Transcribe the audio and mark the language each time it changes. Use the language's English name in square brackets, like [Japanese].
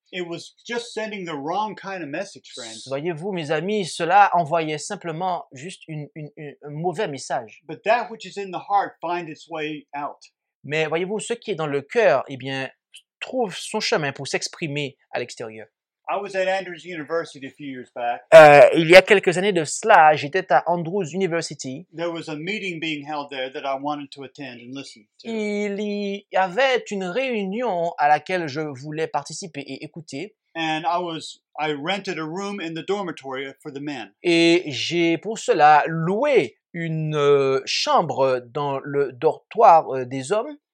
[English] It was just sending the wrong kind of message, friends. [French] Voyez-vous, mes amis, cela envoyait simplement juste un mauvais message. [English] But that which is in the heart finds its way out. [French] Mais voyez-vous, ce qui est dans le cœur, eh bien, trouve son chemin pour s'exprimer à l'extérieur. [English] I was at Andrews University a few years back. [French] Il y a quelques années de cela, j'étais à Andrews University. [English] There was a meeting being held there that I wanted to attend and listen to. [French] Il y avait une réunion à laquelle je voulais participer et écouter. [English] And I rented a room in the dormitory for the men. [French] Et j'ai pour cela loué une chambre dans le dortoir des hommes.